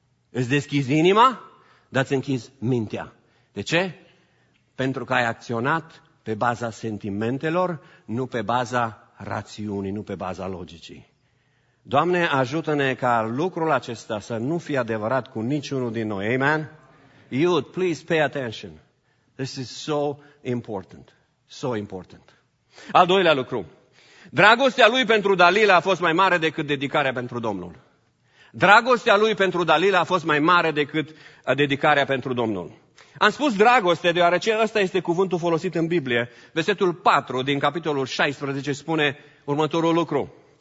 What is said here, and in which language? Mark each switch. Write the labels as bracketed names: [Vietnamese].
[Romanian] Îți deschizi inima, dar îți închizi mintea. De ce? Pentru că ai acționat pe baza sentimentelor, nu pe baza rațiunii, nu pe baza logicii. Doamne, ajută-ne ca lucrul acesta să nu fie adevărat cu niciunul din noi. Amen? [English] Youth, please pay attention. This is so important. So important. [Romanian] Al doilea lucru. Dragostea lui pentru Dalila a fost mai mare decât dedicarea pentru Domnul. Dragostea lui pentru Dalila a fost mai mare decât dedicarea pentru Domnul. Am spus dragoste, deoarece ăsta este cuvântul folosit în Biblie. Versetul 4 din capitolul 16 spune următorul lucru.